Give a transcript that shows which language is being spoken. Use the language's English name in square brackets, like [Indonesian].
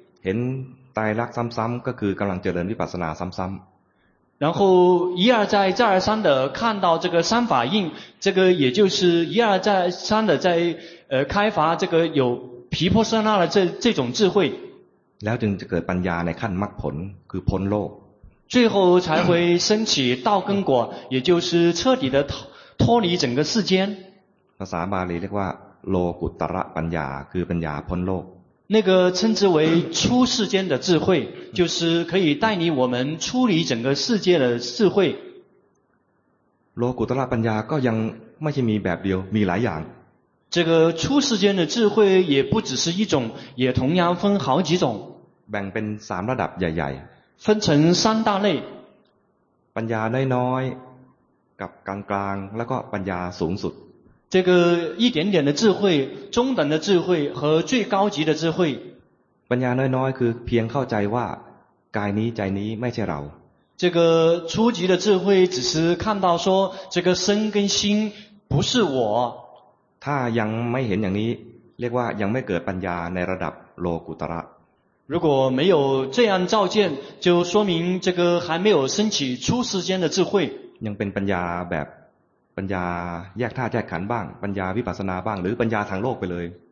[Thai] เห็นตายรักซ้ำๆก็คือกำลังเจริญวิปัสสนาซ้ำๆ [Chinese] 然后一而再再而三的看到这个三法印这个也就是一而再三的在开发这个有毗婆舍那的这种智慧 [Thai] แล้วจึงจะเกิดปัญญาในขั้นมรรคผลคือพ้นโลก [Chinese] 最后才会升起道根果也就是彻底的脱离整个世间 [Thai] ภาษาบาลีเรียกว่าโลกุตระปัญญาคือปัญญาพ้นโลก [Chinese] 那个称之为出世间的智慧就是可以带领我们出离整个世界的智慧 [Thai] โลกุตระปัญญาก็ยังไม่ใช่มีแบบเดียวมีหลายอย่าง [Chinese] 这个出世间的智慧也不只是一种也同样分好几种 [Thai] แบ่งเป็น3ระดับใหญ่ [Chinese] ๆ分成三大类 [Thai] ปัญญาน้อยๆกับกลางๆแล้วก็ปัญญาสูงสุด [Chinese] 这个一点点的智慧中等的智慧和最高级的智慧 [Thai] ปัญญาน้อยๆคือเพียงเข้าใจว่ากายนี้ใจนี้ไม่ใช่เรา [Chinese] 这个初级的智慧只是看到说这个身跟心不是我 [Thai] ถ้ายังไม่เห็นอย่างนี้เรียกว่ายังไม่เกิดปัญญาในระดับโลกุตระ [Chinese] 如果没有这样照见就说明这个还没有升起初世间的智慧 [Thai] ยังเป็นปัญญาแบบปัญญาแยกธาตุแยกขันธ์บ้างปัญญาวิปัสสนาบ้างหรือปัญญาทางโลกไปเลย